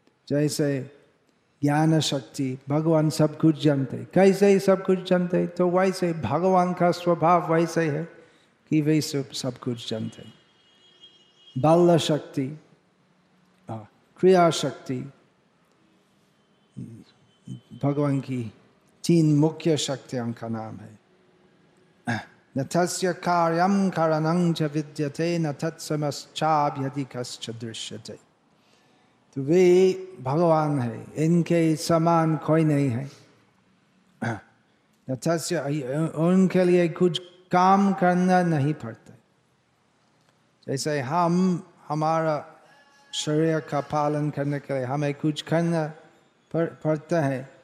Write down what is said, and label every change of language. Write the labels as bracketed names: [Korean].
[Hindi] जैसे ज्ञान शक्ति, भगवान सब कुछ जानते हैं, कैसे ही सब कुछ जानते हैं, तो वैसे भगवान का स्वभाव वैसे है कि वे सब कुछ जानते हैं। बल शक्ति, क्रिया शक्ति, भगवान की तीन मुख्य शक्तियों का नाम है। [Sanskrit] न तस्य कार्यं करणं च विद्यते न तत्समश्चाभ्यधिकश्च दृश्यते। [Hindi] तो वे भगवान है, इनके समान कोई नहीं है। न तस्य, उनके लिए कुछ काम करना नहीं पड़ता। जैसे हम हमारा शरीर का पालन करने के लिए हमें कुछ करना पड़ता है।